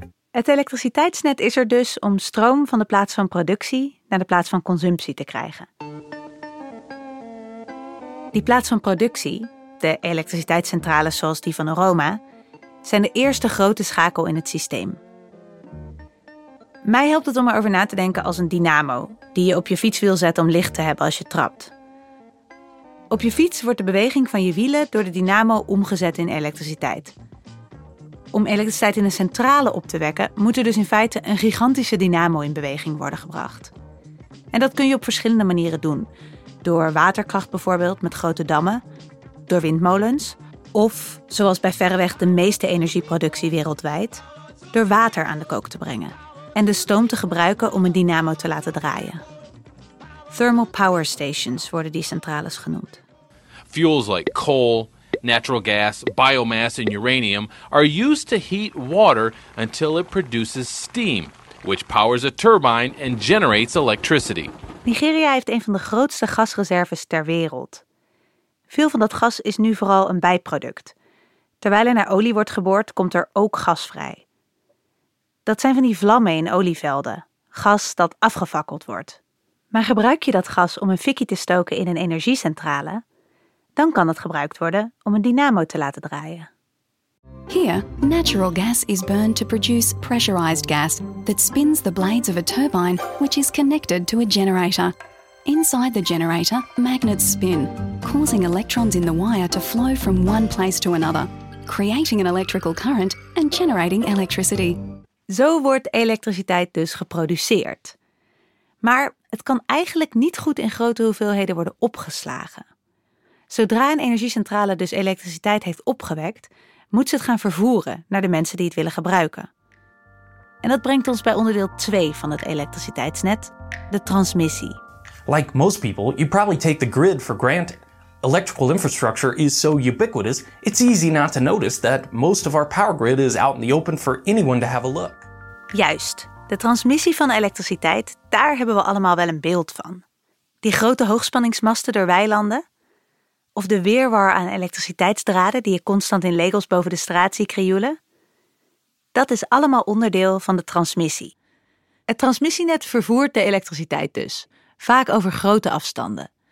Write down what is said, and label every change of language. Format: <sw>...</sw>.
<nl>Het elektriciteitsnet is er dus om stroom van de plaats van productie naar de plaats van consumptie te krijgen. Die plaats van productie, de elektriciteitscentrales zoals die van Oroma, zijn de eerste grote schakel in het systeem. Mij helpt het om erover na te denken als een dynamo die je op je fietswiel zet om licht te hebben als je trapt. Op je fiets wordt de beweging van je wielen door de dynamo omgezet in elektriciteit. Om elektriciteit in een centrale op te wekken, moet er dus in feite een gigantische dynamo in beweging worden gebracht. En dat kun je op verschillende manieren doen. Door waterkracht bijvoorbeeld met grote dammen, door windmolens, of, zoals bij verreweg de meeste energieproductie wereldwijd, door water aan de kook te brengen en de stoom te gebruiken om een dynamo te laten draaien.</nl> <en>Thermal power stations</en> <nl>worden die centrales genoemd.</nl> <en>Fuels like coal, natural gas, biomass and uranium are used to heat water until it produces steam, which powers a turbine and generates electricity.</en> <nl>Nigeria heeft een van de grootste gasreserves ter wereld. Veel van dat gas is nu vooral een bijproduct. Terwijl er naar olie wordt geboord, komt er ook gas vrij. Dat zijn van die vlammen in olievelden. Gas dat afgefakkeld wordt. Maar gebruik je dat gas om een fikkie te stoken in een energiecentrale, dan kan het gebruikt worden om een dynamo te laten draaien.</nl> <en>Here, natural gas is burned to produce pressurized gas that spins the blades of a turbine which is connected to a generator. Inside the generator, magnets spin, causing electrons in the wire to flow from one place to another, creating an electrical current and generating electricity.</en> <nl>Zo wordt elektriciteit dus geproduceerd. Maar het kan eigenlijk niet goed in grote hoeveelheden worden opgeslagen. Zodra een energiecentrale dus elektriciteit heeft opgewekt, moet ze het gaan vervoeren naar de mensen die het willen gebruiken. En dat brengt ons bij onderdeel 2 van het elektriciteitsnet, de transmissie.</nl> <en>Like most people, you probably take the grid for granted. Electrical infrastructure is so ubiquitous, it's easy not to notice that most of our power grid is out in the open for anyone to have a look.</en> <nl>Juist. De transmissie van elektriciteit, daar hebben we allemaal wel een beeld van. Die grote hoogspanningsmasten door weilanden? Of de weerwar aan elektriciteitsdraden die je constant in Lagos boven de straat ziet krioelen? Dat is allemaal onderdeel van de transmissie. Het transmissienet vervoert de elektriciteit dus, vaak over grote afstanden.</nl>